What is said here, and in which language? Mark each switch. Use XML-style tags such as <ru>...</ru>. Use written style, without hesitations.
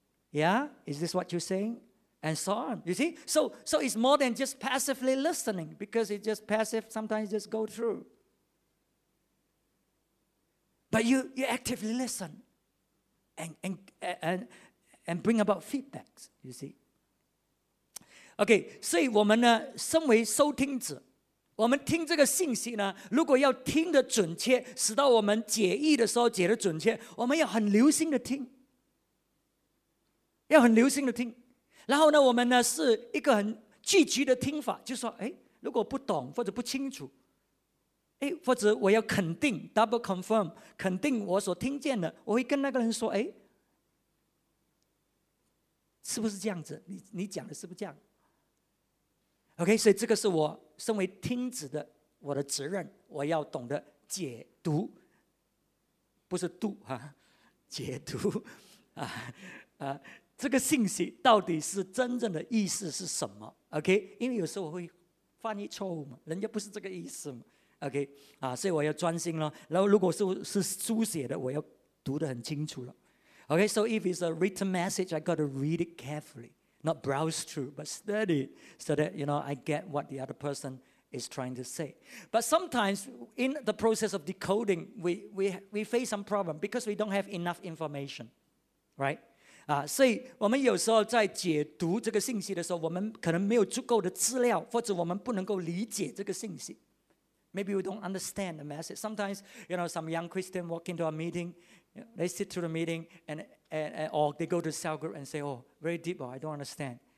<en>Yeah, is this what you're saying? And so on, you see? So it's more than just passively listening, because it's just passive, sometimes just go through. But you actively listen and bring about feedbacks, you see?</en> <zh>Okay, 所以我们呢，身为收听者， 我们听这个信息呢， 如果要听得准确， 使到我们解义的时候解得准确， 我们要很留心的听， 要很留心的听。然后呢， 我们呢， 是一个很聚集的听法， 就说， 诶， 如果不懂， 或者不清楚， 诶， 或者我要肯定，</zh> <en>double confirm，</en> <zh>肯定我所听见的， 我会跟那个人说， 诶， 是不是这样子， 你讲的是不是这样。 OK， 所以这个是我身为听者的我的责任， 我要懂得解读， 不是读， 啊， 解读， 啊， 啊， 这个信息到底是真正的意思是什么？ OK， 因为有时候我会翻译错误嘛， 人家不是这个意思嘛， OK， 啊， 所以我要专心了。然后如果是书写的， 我要读得很清楚了。</zh> <en>OK， so if it's a written message, I got to read it carefully, not browse through, but study, so that, you know, I get what the other person is trying to say. But sometimes in the process of decoding, we face some problem because we don't have enough information, right?</en> <zh>所以我们有时候在解读这个信息的时候，我们可能没有足够的资料，或者我们不能够理解这个信息。</zh> <en>Maybe we don't understand the message. Sometimes, you know, some young Christian walk into a meeting, they sit through the meeting, and or they go to cell group and say, oh, very deep, oh, I don't understand.</en>